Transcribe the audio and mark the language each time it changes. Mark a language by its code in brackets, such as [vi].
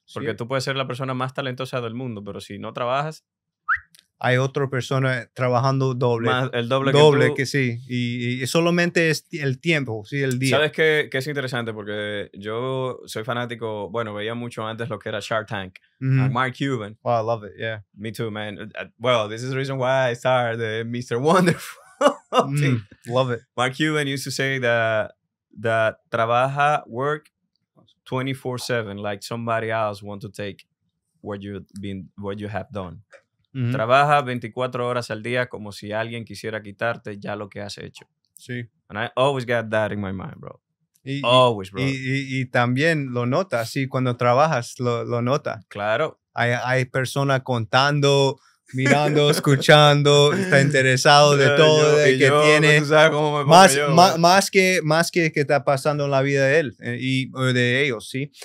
[es] Porque sí. Tú puedes ser la persona más talentosa del mundo, pero si no trabajas... Hay otra persona trabajando doble. Más, el doble que doble tú. Que sí. Y solamente es el tiempo, sí, el día. ¿Sabes qué es interesante? Porque yo soy fanático, bueno, veía mucho antes lo que era Shark Tank. Mm-hmm. Mark Cuban. [en] Oh, I love it, yeah. Me too, man. Well, this is the reason why I started the Mr. Wonderful. Love it. Mark Cuban used to say that trabaja, work 24/7, like somebody else want to take what you have done. Mm-hmm. [es] Trabaja 24 horas al día como si alguien quisiera quitarte ya lo que has hecho. Sí. [en] And I always got that in my mind, bro. [es] Y también lo notas, sí, cuando trabajas lo notas. Claro. Hay personas contando, mirando, escuchando, está interesado de todo lo que tiene. Tú sabes cómo me más que está pasando en la vida de él y de ellos, ¿sí?